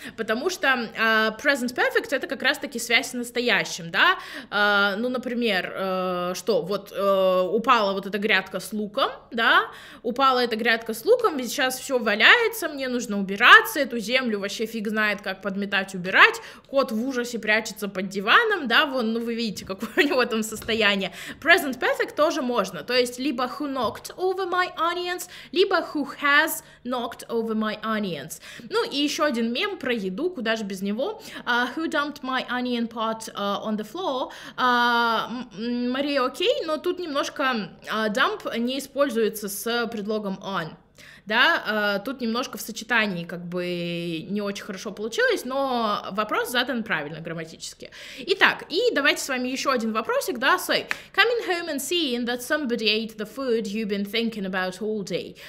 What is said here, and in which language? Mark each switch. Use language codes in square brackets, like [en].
[ru] Потому что present perfect — это как раз-таки связь с настоящим, да, ну, например, что, вот упала вот эта грядка с луком, да, упала эта грядка с луком, и сейчас все валяется, мне нужно убираться, эту землю вообще фиг знает, как подметать, убирать, кот в ужасе прячется под диваном, да, вон, ну, вы видите, какое у него там состояние. [en] Present perfect [ru] тоже можно, то есть либо [en] who knocked over my onions, либо who has knocked over my onions. [ru] Ну, и еще один мем про еду, куда же без него. [en] Who dumped my onion pot on the floor? [ru] Мария, окей, но тут немножко dump не используется с предлогом on. Да, тут немножко в сочетании как бы не очень хорошо получилось, но вопрос задан правильно грамматически. Итак, и давайте с вами еще один вопросик, да, [en] so, coming home and seeing that somebody ate the food you've been thinking about all day.